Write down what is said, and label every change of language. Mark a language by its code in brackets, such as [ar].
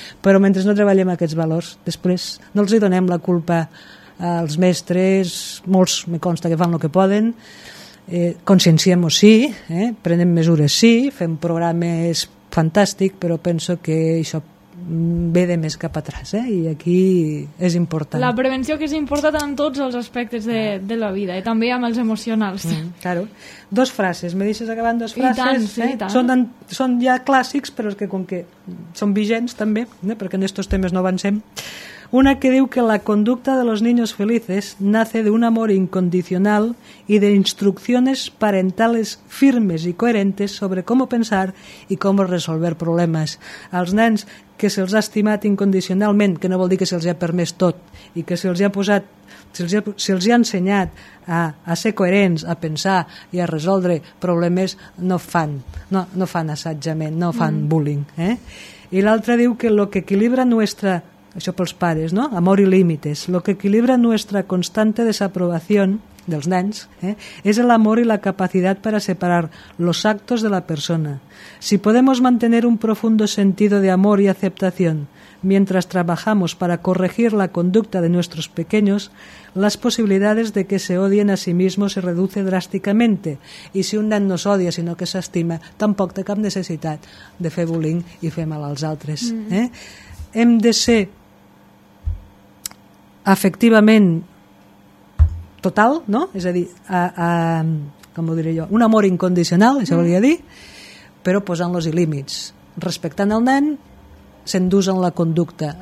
[ca] Però mentre no treballem aquests valors, després no els hi donem la culpa als mestres, molts me consta que fan el que poden, conscienciem-ho sí, prenem mesures sí, fem programes fantàstic, però penso que això ve de més cap atràs, i aquí és important. La prevenció, que és important en tots els aspectes de la vida, i també amb els emocionals. [es] Claro. [ca] Dos frases, me deixes acabar amb dues frases? I tant, sí, i tant. Són ja clàssics, però és que com que són vigents també, perquè en aquests temes no avancem, Una que diu que [es] la conducta de los niños felices nace de un amor incondicional y de instrucciones parentales firmes y coherentes sobre cómo pensar y cómo resolver problemas. [ca] Als nens que se'ls ha estimat incondicionalment, que no vol dir que se'ls ha permès tot, i que se'ls ha ensenyat a ser coherents, a pensar i a resoldre problemes, no fan assetjament, no fan bullying. I l'altre diu que el que equilibra [es] nuestra, [ca] això pels pares, no? Amor i límites, el que equilibra [es] nuestra constante [ca] desaprovació dels nens, és l'amor i la capacitat per a separar [es] los actos de la persona. Si podemos mantener un profundo sentido de amor y aceptación mientras trabajamos para corregir la conducta de nuestros pequeños, las posibilidades de que se odien a sí mismos se reduce drásticamente. [ca] Y si un nen no s'odia, sinó que s'estima, tampoc té cap necessitat de fer bullying i fer mal als altres. Hem de ser efectivament total, no? És a dir, com ho diré jo, un amor incondicional, això volia dir, però posant-los i límits, respectant el nen, s'endús en la conducta.